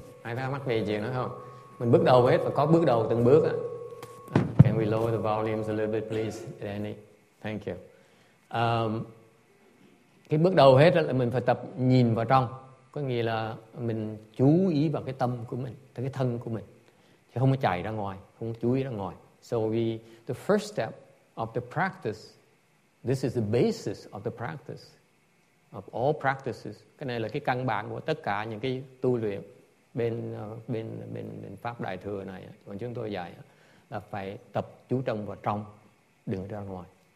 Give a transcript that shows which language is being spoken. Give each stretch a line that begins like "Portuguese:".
Vietnamese: Ai thắc mắc về gì nữa không? Mình bước đầu hết và có bước đầu từng bước.
English: Can we lower the volumes a little bit, please, Danny? Thank you.
Vietnamese: Cái bước đầu hết là mình phải tập nhìn vào trong. Có nghĩa là mình chú ý vào cái tâm của mình, cái thân của mình. Chứ không có chạy ra ngoài, không chú ý ra ngoài.
English: So the first step of the practice, this is the basis of the practice, of all practices.
Vietnamese: Cái này là cái căn bản của tất cả những cái tu luyện bên bên Pháp Đại Thừa này. Còn chúng tôi dạy là phải tập chú tâm vào trong, đừng ra ngoài.